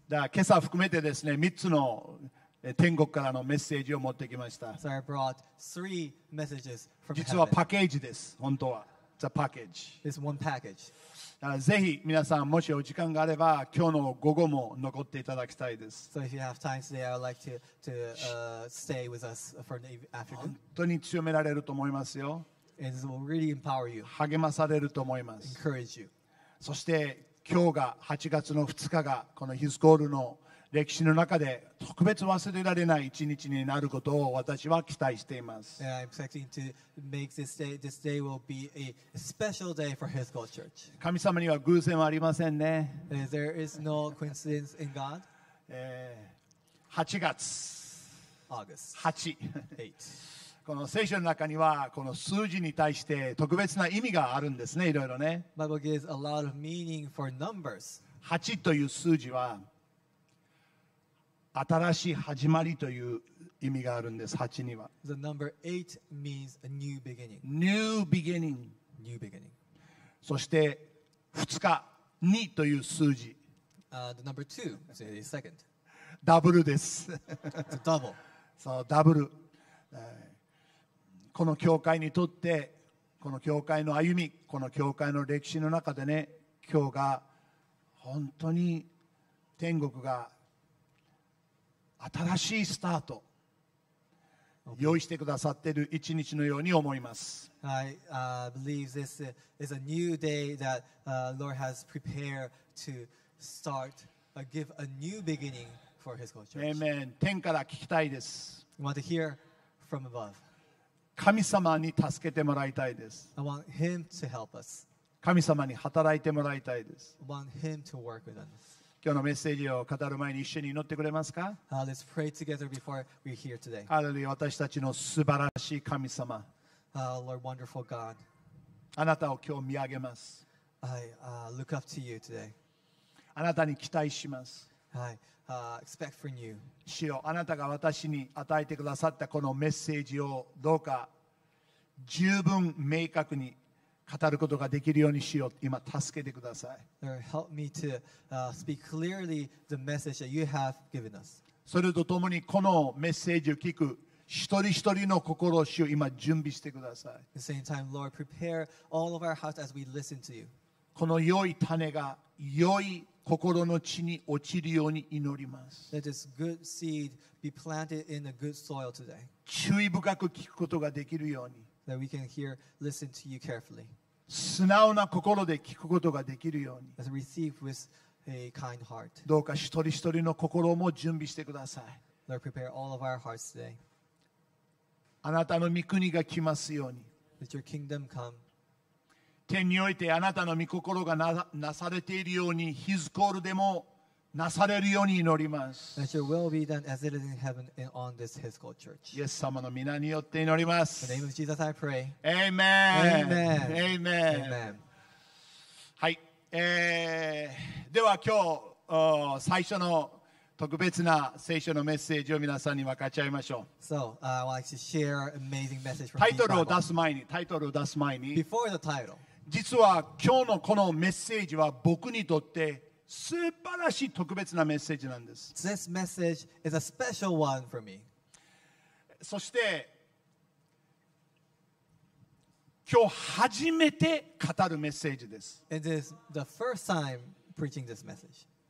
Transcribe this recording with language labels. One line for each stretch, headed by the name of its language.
Japanese: だ今朝含めてですね、3つの天国からのメッセージを持ってきました。
English: So、I brought three messages from
Japanese: 実はパッケージです、本当は。
English: It's a package. It's one package.
Japanese: だからぜひ皆さん、もしお時間があれば、今日の午後も残っていただきたいです。
English: So if you have time today, I would like to stay with us for the afternoon.
Japanese: 本当に強められると思いますよ。
English: And this will really empower you.
Japanese: 励まされると思います。
English: Encourage you.
Japanese: そして今日が8月の2日がこのHis Callの歴史の中で特別忘れられない一日になることを私は期待しています。
English: And I'm expecting to make this day, this day will be a special day for His Call Church.
Japanese: 神様には偶然はありませんね。
English: There is no coincidence in God.
Japanese: 8月
English: August
Japanese: 8 この聖書の中にはこの数字に対して特別な意味があるんですね。いろいろね。
English: Bible gives a lot of meaning for numbers.
Japanese: 8という数字は新しい始まりという意味があるんです。 8には。
English: The number 8 means a new beginning. New beginning. New beginning.
Japanese: そして2日、2という数字。
English: The number 2 is a second.
Japanese: ダブルです。
English: It's a double.
Japanese: そう、ダブル。この教会にとってこの教会の歩みこの教会の歴史の中でね今日が本当に天国が新しいスタート、okay. 用意してくださっている一日のように思います。
English: I believe this is a new day that Lord has prepared to start give a new beginning for His Call Church.
Japanese: Amen. 天から聞きたいです。
English: I want to hear from above.
Japanese: 神様に助けてもらいたいです。
English: I want him to help us.
Japanese: 神様に働いてもらいたいです。
English: I want him to work with us.
Japanese: 今日のメッセージを語る前に一緒に祈ってくれますか？
English: Let's pray together before we're here today.
Japanese: ハレルヤ、私たちの素晴らしい神様。
English: Lord, wonderful God.
Japanese: あなたを今日見上げます。
English: I look up to you today.
Japanese: あなたに期待します。
English: I expect from you.
Japanese: 主よ、あなたが私に与えてくださったこのメッセージをどうか十分明確に語ることができるようにしよう。今助けてください。
English: Lord, help me to speak clearly the message that you have given us.
Japanese: それとともにこのメッセージを聞く一人一人の心を主よ今準備してください。
English: At the same time, Lord, prepare all of our hearts as we listen to you.
Japanese: この良い種が良い心の地に落ちるように祈ります。
English: Let this good seed be planted in a good soil today.
Japanese: 注意深く聞くことができるように。
English: That we can hear, listen to you carefully.
Japanese: 素直な心で聞くことができるように。
English: As received with a kind heart.
Japanese: どうか一人一人の心も準備してください。
English: Lord, prepare all of our hearts today.
Japanese: あなたの御国が来ますように。
English: Let your kingdom come.
Japanese: 天においてあなたの御心が なされているようにヒズコールでもなされるように祈ります。
English: That your will be done as it is in heaven and on this His called church.
Japanese: イエス様の皆によって祈ります。
English: In the name of Jesus I pray. Amen. Amen. Amen. Amen.
Japanese: はい、では今日最初の特別な聖書のメッセージを皆さんに分かち合いましょう。
English: So, I would like to share an amazing message from the Bible.
Japanese: タイトルを出す前に
English: Before the title.
Japanese: 実は今日のこのメッセージは僕にとって素晴らしい特別なメッセージなんです。
English: This message is a special one for me.
Japanese: そして今日初めて語るメッセージです。
English: It is the first time preaching this message.